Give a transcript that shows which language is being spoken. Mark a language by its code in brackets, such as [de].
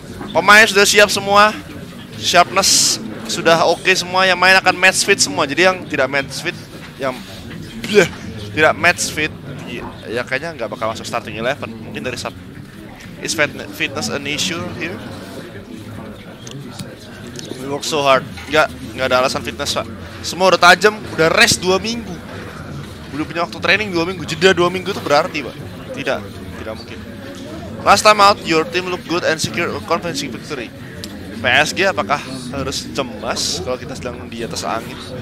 [id] Pemain sudah siap semua. Sharpness sudah oke semua, yang main akan match fit semua. Jadi yang tidak match fit, yang tidak match fit, ya kayaknya nggak bakal masuk starting 11. Mungkin dari sub. [en] Is fitness an issue here? We work so hard. [id] Nggak ada alasan fitness, Pak. Semua udah tajam, udah rest 2 minggu. Udah punya waktu training 2 minggu, jeda 2 minggu itu berarti, Pak. Tidak mungkin. [en] Last time out, your team look good and secure a convincing victory. [id] PSG apakah harus cemas kalau kita sedang di atas angin?